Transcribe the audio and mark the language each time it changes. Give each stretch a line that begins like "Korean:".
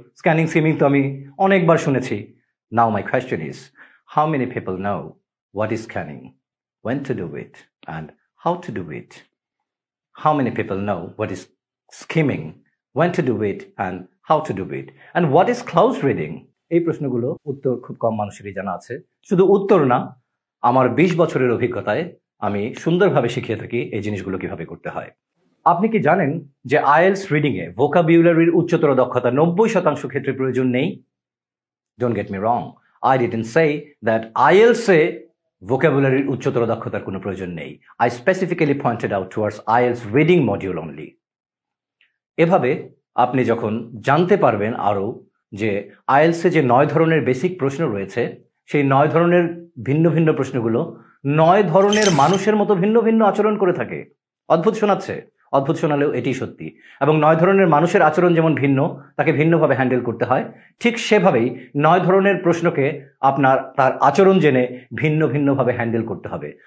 English: Scanning, skimming
Bangla: to ami onekbar shunechi.
English: Now my question is, how many people know what is scanning, when to do it, and how to do it? How many people know what is skimming, when to do it, and how to do it? And what is close reading?
Bangla: এই প্রশ্নগুলো উত্তর খুব কম মানুষেরই জানা আছে। শুধু উত্তর না, আমার 20 বছরের অভিজ্ঞতায় আমি সুন্দরভাবে শিখিয়ে থাকি এই জিনিসগুলো কিভাবে করতে হয়। আপনি কি জানেন যে IELTS রিডিং এ ভোকাবুলারির উচ্চতর দক্ষতা 90% ক্ষেত্রে প্রয়োজন নেই?
English: don't get me wrong, I didn't say that
Bangla: IELTS A vocabulary উচ্চতর দক্ষতার কোনো প্রয়োজন নেই.
English: I specifically pointed out towards IELTS reading module only.
Bangla: এভাবে আপনি যখন জানতে পারবেন আরও যে IELTS এ যে নয় ধরনের বেসিক প্রশ্ন রয়েছে, সেই নয় ধরনের ভিন্ন ভিন্ন প্রশ্নগুলো নয় ধরনের মানুষের মতো ভিন্ন ভিন্ন আচরণ করে থাকে. অদ্ভুত শোনাচ্ছে, অদ্ভুত শোনালেও এটি সত্যি. এবং নয় ধরনের মানুষের আচরণ যেমন ভিন্ন, তাকে ভিন্নভাবে হ্যান্ডেল করতে হয়, ঠিক সেভাবেই নয় ধরনের প্রশ্নকে আপনার তার আচরণ জেনে ভিন্ন ভিন্নভাবে হ্যান্ডেল করতে হবে.